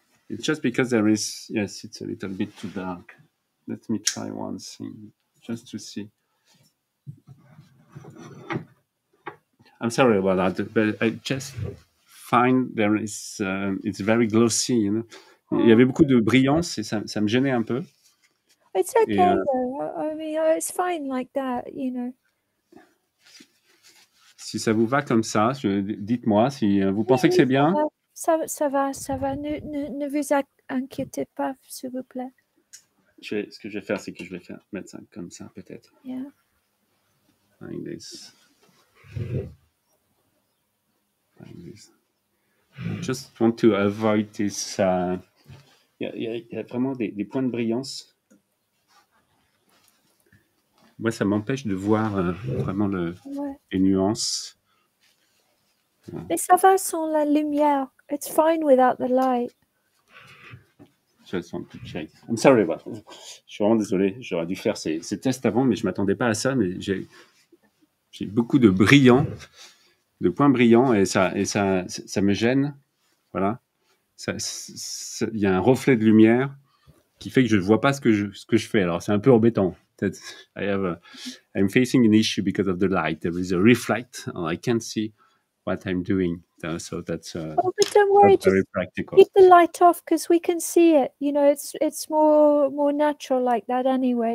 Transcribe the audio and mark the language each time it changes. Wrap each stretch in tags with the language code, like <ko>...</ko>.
<en>It's just because there is, yes, it's a little bit too dark. Let me try one thing just to see. I'm sorry about that, but I just find there is, it's very glossy, you know.</en> <fr>Il y avait beaucoup de brillance et ça me gênait un peu.</fr> <en>It's okay, though. I mean, it's fine like that, you know.</en> <fr>Si ça vous va comme ça, dites-moi si vous pensez que c'est bien. Ça va. Ne vous inquiétez pas, s'il vous plaît. Ce que je vais faire, c'est que je vais faire mettre ça comme ça, peut-être.</fr> <en>Yeah. Like this. Just want to avoid this.</en> <fr>Il y a vraiment des points de brillance. Moi, ça m'empêche de voir vraiment les nuances. Mais ça va sans la lumière.</fr> <en>It's fine without the light. Just want to check. I'm sorry about that.</en> <fr>Je suis vraiment désolé. J'aurais dû faire ces tests avant, mais je ne m'attendais pas à ça. Mais j'ai beaucoup de brillants, de points brillants, et ça me gêne. Voilà. Il y a un reflet de lumière qui fait que je ne vois pas ce que je fais. Alors, c'est un peu embêtant.</fr> <en>I'm facing an issue because of the light. There is a reflect, and I can't see what I'm doing. So that's very practical. Keep the light off because we can see it. You know, it's more natural like that anyway.</en>